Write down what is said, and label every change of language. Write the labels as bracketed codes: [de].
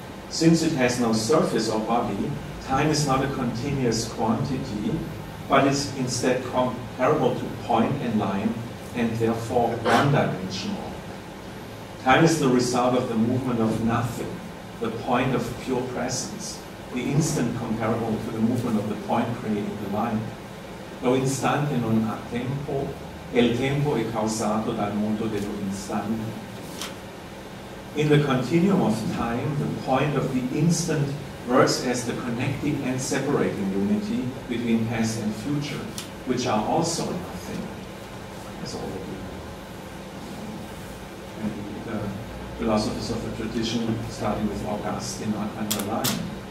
[en] Since it has no surface or body, time is not a continuous quantity, but is instead comparable to point and line, and therefore one-dimensional. Time is the result of the movement of nothing, the point of pure presence, the instant comparable to the movement of the point creating the line. [it] Lo istante non ha tempo, il tempo è causato dal mondo dello istante. [en] In the continuum of time, the point of the instant works as the connecting and separating unity between past and future, which are also nothing, as all of you. And the philosophers of the tradition, starting with Augustine, underline.